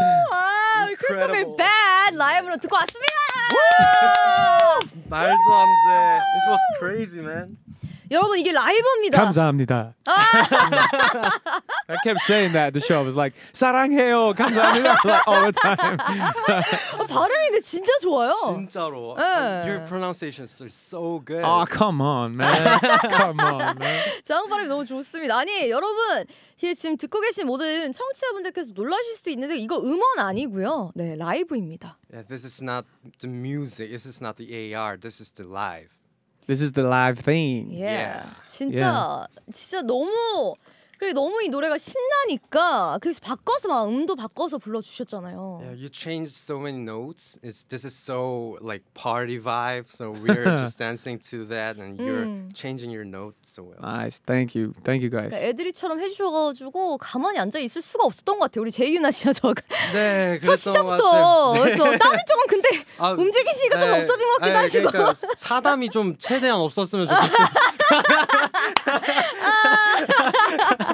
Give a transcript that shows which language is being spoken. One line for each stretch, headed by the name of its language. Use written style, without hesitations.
Korean: 와, 크리스토퍼의 Bad 라이브로 듣고 왔습니다. 말도 안 돼.
English: It was crazy, man.
Korean: 여러분 이게 라이브입니다. 감사합니다.
English: I kept saying that the show was like
Korean: 사랑해요, 감사합니다
English: like, all the time.
Korean: 어, 발음이 근데 진짜 좋아요. 진짜로.
English: Your pronunciations are so good. Oh, come on, man. Come on, man.
Korean: 저항 발음이 너무 좋습니다. 아니 여러분 지금 듣고 계신 모든 청취자분들께서 놀라실 수도 있는데 이거 음원 아니고요. 네, 라이브입니다.
English: Yeah, this is not the music. This is not the AR. This is the live. This is the live thing. Yeah. Yeah.
Korean: 진짜
English: yeah.
Korean: 진짜 너무 그리고 너무 이 노래가 신나니까 그래서 바꿔서 막 음도 바꿔서 불러주셨잖아요.
English: Yeah, you changed so many notes. It's this is so like party vibe. So we're just dancing to that, and you're changing your notes so well. Nice. Thank you. Thank you guys.
Korean: 그러니까 애드리처럼 해주셔가지고 가만히 앉아 있을 수가 없었던 것 같아요. 우리 재윤아 씨와 저. 네. 그랬던 저 시작부터 그래서 땀이 조금 근데 아, 움직이시기가 좀 없어진 것 같기도 하시고 그러니까 사담이 좀 최대한 없었으면 좋겠어요.